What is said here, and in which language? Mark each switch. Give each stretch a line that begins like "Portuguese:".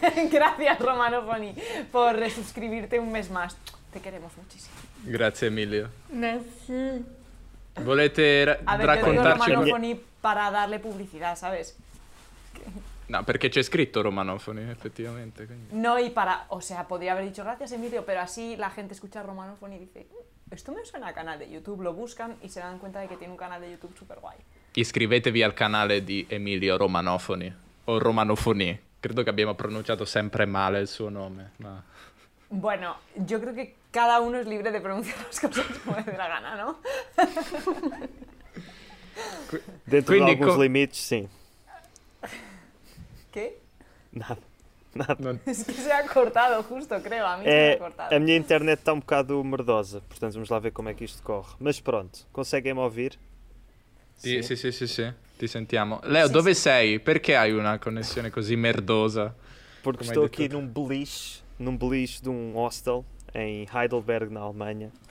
Spanish: gracias Romano Boni por resuscribirte un mes más. Te queremos muchísimo.
Italian: Grazie Emilio.
French: Merci.
Italian: Volete raccontarci
Spanish: Romano Boni para darle publicidad, ¿sabes?
Italian: No, perché c'è scritto Romanofoni, effettivamente, quindi.
Spanish: No, y para, o sea, podría haber dicho gracias Emilio, pero así la gente escucha Romanofoni y dice, esto me suena a canal de YouTube, lo buscan y se dan cuenta de que tiene un canal de YouTube super guay.
Italian: Iscrivetevi al canale di Emilio Romanofoni o Romanofoni. Credo che abbiamo pronunciato sempre male il suo nome, ma...
Spanish: Bueno, yo creo que cada uno es libre de pronunciar las cosas como le dé la gana, ¿no?
Italian: Dentro di alcuni limiti, sì.
Spanish: ¿Qué? Nada. Non... Es que se ha cortado justo, creo, a mí se ha cortado.
Portuguese: A mia internet está un bocado merdosa, portanto vamos lá ver como é que isto corre. Mas pronto, conseguem-me ouvir?
Italian: Sì, ti sentiamo. Leo, sì, dove sei? Perché hai una connessione così merdosa? Perché sto qui in un beliche, di un hostel in Heidelberg, in Germania.